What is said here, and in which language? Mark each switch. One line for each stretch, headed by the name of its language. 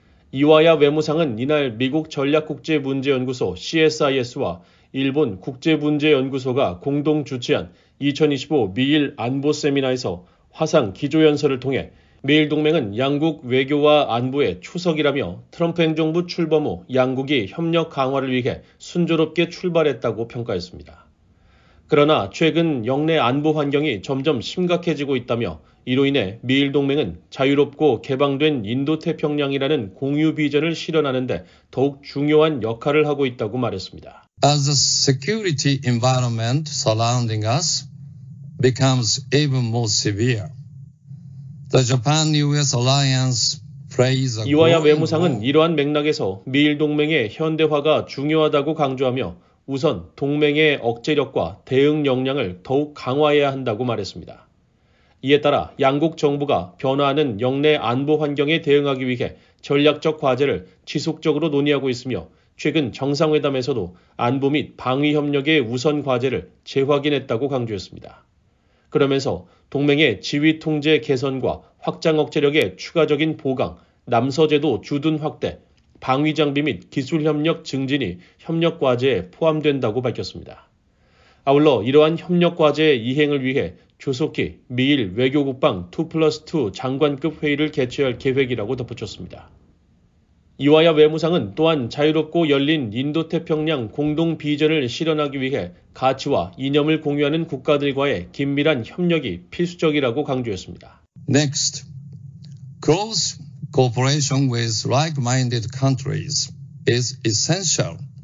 Korean: 이와야 외무상은 이날 미국 전략국제문제연구소 CSIS와 일본 국제문제연구소가 공동 주최한 2025 미일 안보 세미나에서 화상 기조연설을 통해 미일 동맹은 양국 외교와 안보의 추석이라며 트럼프 행정부 출범 후 양국이 협력 강화를 위해 순조롭게 출발했다고 평가했습니다. 그러나 최근 역내 안보 환경이 점점 심각해지고 있다며 이로 인해 미일 동맹은 자유롭고 개방된 인도태평양이라는 공유 비전을 실현하는 데 더욱 중요한 역할을 하고 있다고 말했습니다.
English: As the security environment surrounding us becomes even more severe, the Japan-US alliance plays a role.
Korean: 이와야 외무상은 이러한 맥락에서 미일 동맹의 현대화가 중요하다고 강조하며 우선 동맹의 억제력과 대응 역량을 더욱 강화해야 한다고 말했습니다. 이에 따라 양국 정부가 변화하는 역내 안보 환경에 대응하기 위해 전략적 과제를 지속적으로 논의하고 있으며 최근 정상회담에서도 안보 및 방위 협력의 우선 과제를 재확인했다고 강조했습니다. 그러면서 동맹의 지휘 통제 개선과 확장 억제력의 추가적인 보강, 남서제도 주둔 확대, 방위 장비 및 기술 협력 증진이 협력 과제에 포함된다고 밝혔습니다. 아울러 이러한 협력 과제의 이행을 위해 조속히 미일 외교국방 2+2 장관급 회의를 개최할 계획이라고 덧붙였습니다. 이와야 외무상은 또한 자유롭고 열린 인도태평양 공동 비전을 실현하기 위해 가치와 이념을 공유하는 국가들과의 긴밀한 협력이 필수적이라고 강조했습니다.
English: Next, close cooperation with like-minded countries is essential.